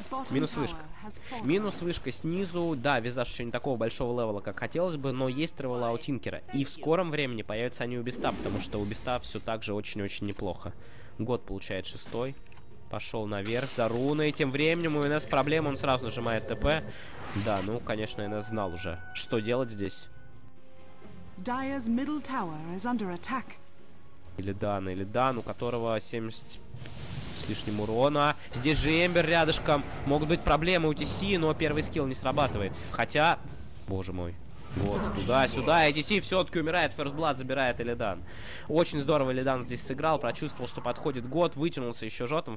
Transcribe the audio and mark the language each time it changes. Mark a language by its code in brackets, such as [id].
[ru] Минус вышка. Минус вышка снизу. Да, визаж еще не такого большого левела, как хотелось бы, но есть тревела у Тинкера. И в скором времени появятся они у Беста, потому что у Беста все так же очень-очень неплохо. Год получает шестой. Пошел наверх за руной. Тем временем у НС проблема, он сразу нажимает ТП. Да, ну, конечно, НС знал уже, что делать здесь. [en] Dire's middle tower is under attack. [ru] Или Дан, у которого 70 с лишним урона. Здесь же Эмбер рядышком. Могут быть проблемы у TC, но первый скилл не срабатывает. Хотя, боже мой. Вот, туда-сюда, и DC все-таки умирает, First Blood забирает Иллидан. Очень здорово Иллидан здесь сыграл, прочувствовал, что подходит год, вытянулся еще жотом.